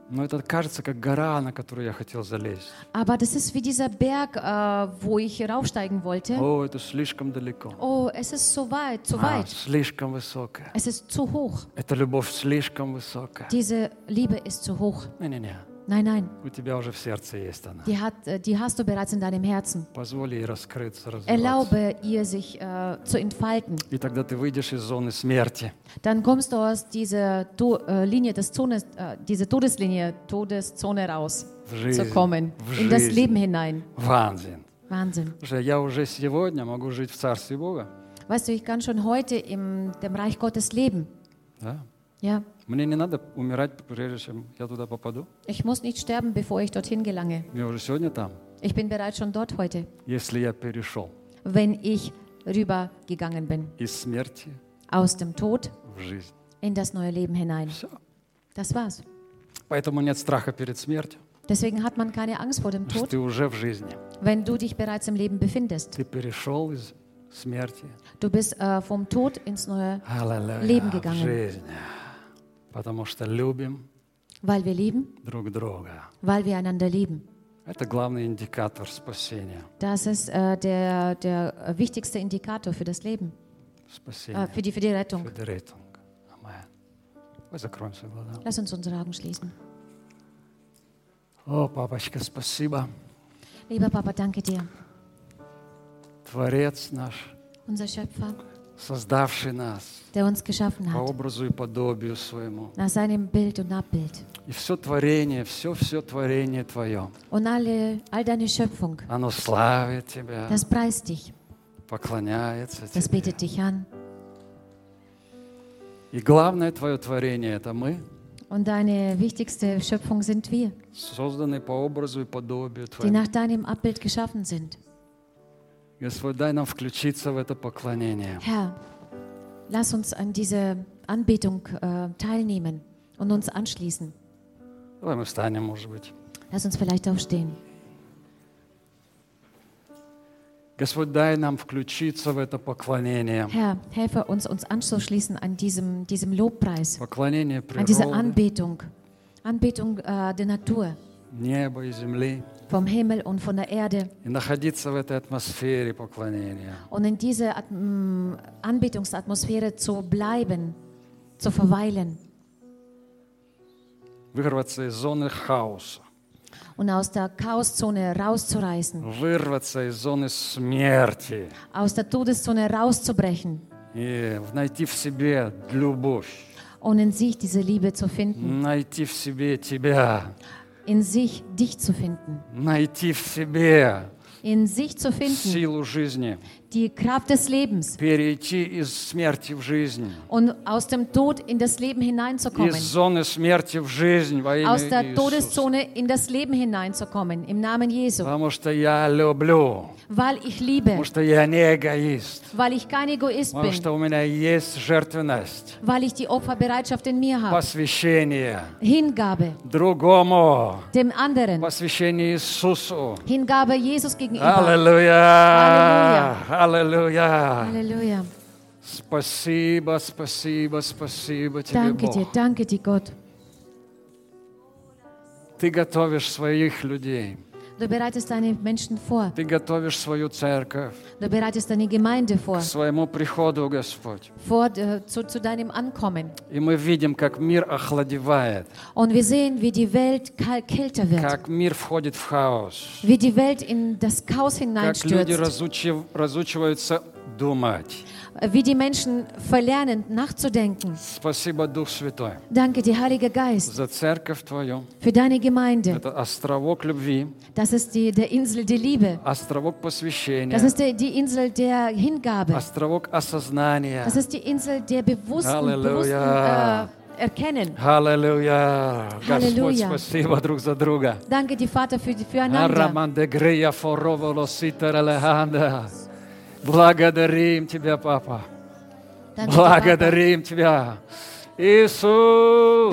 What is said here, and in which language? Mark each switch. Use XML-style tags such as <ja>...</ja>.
<ru>Но это кажется как гора, на которую я хотел залезть.</ru> <de>Aber das ist wie dieser Berg, wo ich raufsteigen wollte.</de> <ru>О, это слишком далеко.</ru> <de>Oh, es ist so weit, zu weit.</de> <ru>Слишком высоко.</ru> <de>Es ist zu hoch.</de> <ru>Эта любовь слишком высока.</ru> <de>Diese Liebe ist zu hoch.</de> <ru>Не-не-не.</ru> <de>Nein, nein.</de> <ru>У тебя уже в сердце есть она.</ru> <de>Die hast du bereits in deinem Herzen.</de> <ru>Позволь ей раскрыться, развиваться.</ru> <de>Erlaube ihr sich zu entfalten.</de> <ru>И тогда ты выйдешь из зоны смерти.</ru> <de>Dann kommst du aus dieser Linie des Todes, diese Todeslinie, Todeszone raus zu kommen, in das Leben hinein. Wahnsinn. Wahnsinn.</de> <ru>Я уже сегодня могу жить в Царстве Бога.</ru> <de>Weißt du, ich kann schon heute in dem Reich Gottes leben.</de> <ru>Да.</ru> <de>Ja.</de> <ru>Мне не надо умирать, прежде чем я туда попаду.</ru> <de>Ich muss nicht sterben, bevor ich dorthin gelange.</de> <ru>Я уже сегодня там.</ru> <de>Ich bin bereits schon dort heute.</de> <ru>Если я перешел.</ru> <de>Wenn ich rübergegangen bin.</de> <ru>Из смерти.</ru> <de>Aus dem Tod.</de> <ru>В жизнь.</ru> <de>In das neue Leben hinein.</de> <ru>Все.</ru> <de>Das war's.</de> <ru>Поэтому нет страха перед смертью.</ru> <de>Deswegen hat man keine Angst vor dem Tod.</de> <ru>Ты уже в жизни.</ru> <de>Wenn du dich bereits im Leben befindest.</de> <ru>Ты перешел из смерти.</ru> <de>Du bist vom Tod ins neue Halleluja, Leben gegangen.</de> <ru>В жизнь. Потому что любим</ru> <de>Weil wir lieben,</de> <ru>друг друга.</ru> <de>Weil wir einander lieben.</de> <ru>Это главный индикатор спасения.</ru> <de>Das ist der wichtigste Indikator für das Leben.</de> <ru>Спасение.</ru> <de>Für die Rettung. Für die Rettung. Amen.</de> <ru>Мы закроем свои глаза.</ru> <de>Lass uns unsere Augen schließen.</de> <ru>О, папочка, спасибо.</ru> <de>Lieber Papa, danke dir.</de> <ru>Творец наш.</ru> <de>Unser Schöpfer.</de> <ru>Создавший нас,</ru> <de>der uns geschaffen hat,</de> <ru>по образу и подобию своему,</ru> <de>nach seinem Bild und Abbild.</de> <ru>И все творение, все творение твое,</ru> <de>und all deine Schöpfung,</de> <ru>оно славит тебя,</ru> <de>das preist dich,</de> <ru>поклоняется</ru> <de>das</de> <ru>тебе,</ru> <de>betet dich an.</de> <ru>И главное твое творение это мы,</ru> <de>und deine wichtigste Schöpfung sind wir,</de> <ru>созданные по образу и подобию твоему,</ru> <de>die nach deinem Abbild geschaffen sind.</de> <ru>Господь, дай нам включиться в это поклонение.</ru> <de>Herr, lass uns an diese Anbetung teilnehmen und uns anschließen.</de> <ru>Давай мы встанем, может быть.</ru> <de>Lass uns vielleicht aufstehen.</de> <ru>Господь, дай нам включиться в это поклонение.</ru> <de>Herr, helfe uns, uns anzuschließen an diesem Lobpreis.</de> <ru>Поклонение природы.</ru> <de>An diese Anbetung. Anbetung der Natur.</de> <ru>Неба и земли.</ru> <de>Vom Himmel und von der Erde.</de> <ru>И находиться в этой атмосфере поклонения.</ru> <de>Und in dieser Anbetungsatmosphäre zu bleiben, zu verweilen.</de> <ru>Вырваться из зоны хаоса.</ru> <de>Und aus der Chaoszone rauszureißen.</de> <ru>Вырваться из зоны смерти.</ru> <de>Aus der Todeszone rauszubrechen.</de> <ru>И найти в себе любовь.</ru> <de>Und in sich diese Liebe zu finden.</de> <ru>Найти в себе тебя.</ru> <de>In sich dich zu finden.</de> <ru>Найти в себе.</ru> <de>In sich zu finden.</de> <ru>Силу жизни.</ru> <de>Die Kraft des Lebens.</de> <ru>Перейти из смерти в жизнь.</ru> <de>Und aus dem Tod in das Leben hineinzukommen.</de> <ru>Из зоны смерти в жизнь во имя</ru> <de>Aus der Todeszone in das Leben hineinzukommen im Namen Jesu.</de> <ru>Потому что я люблю.</ru> <de>Weil ich liebe.</de> <ru>Потому что я не эгоист.</ru> <de>Weil ich kein Egoist</de> <ru>Потому</ru> <de>bin.</de> <ru>Потому что у меня есть жертвенность.</ru> <de>Weil ich die Opferbereitschaft in mir habe.</de> <ru>Посвящение.</ru> <de>Hingabe.</de> <ru>Другому.</ru> <de>Dem anderen.</de> <ru>Посвящение Иисусу.</ru> <de>Hingabe Jesus gegenüber. Halleluja. Halleluja. Halleluja.</de> <ru>Спасибо, спасибо, спасибо тебе,</ru> <de>Danke</de> <ru>Бог.</ru> <de>Dir, danke dir, Gott.</de> <ru>Ты готовишь своих людей.</ru> <de>Du bereitest deine Menschen vor.</de> <ru>Ты готовишь свою церковь.</ru> <de>Du bereitest deine Gemeinde vor.</de> <ru>К своему приходу, Господь.</ru> <de>Vor, zu deinem Ankommen.</de> <ru>И мы видим, как мир охладевает.</ru> <de>Und wir sehen, wie die Welt kälter wird.</de> <ru>Как мир входит в хаос.</ru> <de>Wie die Welt in das Chaos hineinstürzt.</de> <ru>Как люди разучиваются думать.</ru> <de>Wie die Menschen verlernen, nachzudenken.</de> <ru>Спасибо, Дух Святой.</ru> <de>Danke dir, Heiliger Geist.</de> <ru>За церковь твою.</ru> <de>Für deine Gemeinde.</de> <ru>Это островок любви.</ru> <de>Das ist der Insel der Liebe.</de> <ru>Островок посвящения.</ru> <de>Das ist die Insel der Hingabe.</de> <ru>Островок осознания.</ru> <de>Das ist die Insel der bewussten, Halleluja. erkennen. Halleluja. Halleluja.</de> <ru>Господь, спасибо друг за друга.</ru> <de>Danke dir, Vater, füreinander. Arramande greia forovolo sitere leganda.</de> <ru>Благодарим тебя, Папа. Благодарим тебя, Иисус.</ru>